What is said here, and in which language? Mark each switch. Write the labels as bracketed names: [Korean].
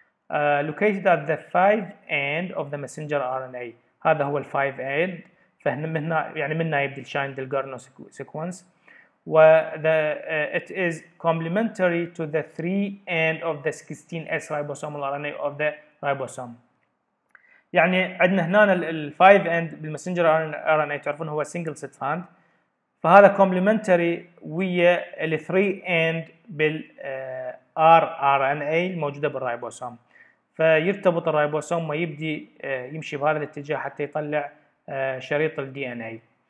[English] Located at the 5 end of the messenger RNA. [Arabic] هذا هو ال 5 end. فهنا منا يعني منا يبدي الشاين دلغارنو سيكونس. [English] و it is complementary to the 3 end of the 16S ribosomal RNA of the ribosome. [Arabic] يعني عندنا هنا ال 5 end بالمسنجر RNA تعرفون هو single strand، فهذا complementary ويا ال 3 end بال rRNA الموجودة بالرايبوسوم. فيرتبط الرايبوسوم ويبدي يمشي بهذا الاتجاه حتى يطلع شريط ال DNA.